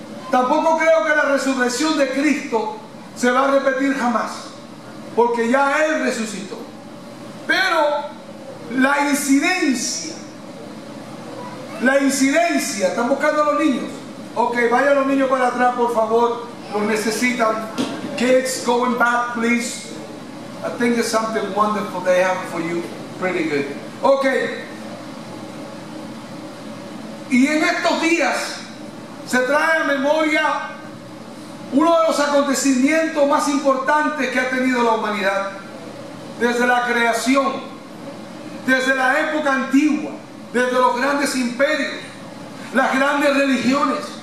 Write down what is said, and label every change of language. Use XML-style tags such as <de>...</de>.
<es>Tampoco creo que la resurrección de Cristo se va a repetir jamás, porque ya Él resucitó. Pero la incidencia, están buscando a los niños. Ok, vayan los niños para atrás, por favor, los necesitan.</es> <en>Kids, going back, please. I think there's something wonderful they have for you. Pretty good. Ok.</en> <es>Y en estos días se trae a memoria uno de los acontecimientos más importantes que ha tenido la humanidad desde la creación, desde la época antigua, desde los grandes imperios, las grandes religiones,</es>